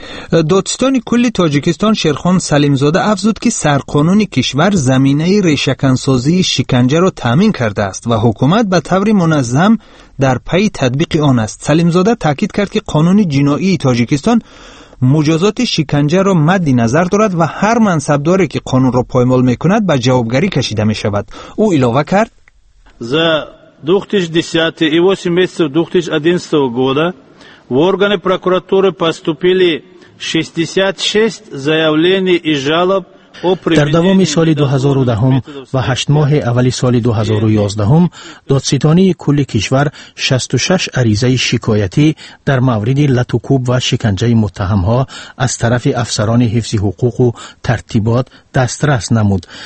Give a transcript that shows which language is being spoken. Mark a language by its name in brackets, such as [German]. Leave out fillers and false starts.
[Persian] دادستان کل تاجیکستان شیرخان سلیمزاده افزود که سرقانون کشور زمینه ریشه‌کن‌سازی شکنجه را تامین کرده است و حکومت به طور منظم در پی تطبیق آن است. سلیمزاده تاکید کرد که قانون جنایی تاجیکستان مجازات شکنجه را مد نظر دارد و هر منصبداری که قانون را پایمال میکند به جوابگری کشیده میشود. او اضافه کرد: [Russian] ز 2010 و 8 месяцев 2011 года в органы прокуратуры поступили 66 заявлений и жалоб. [Persian] در دوام سال 2010 و 8 ماه اول سال 2011 دادستانی کل کشور 66 عریضه شکایتی در مورد لتوکوب و شکنجه متهمها از طرف افسران حفظ حقوق و ترتیبات دسترس نمود.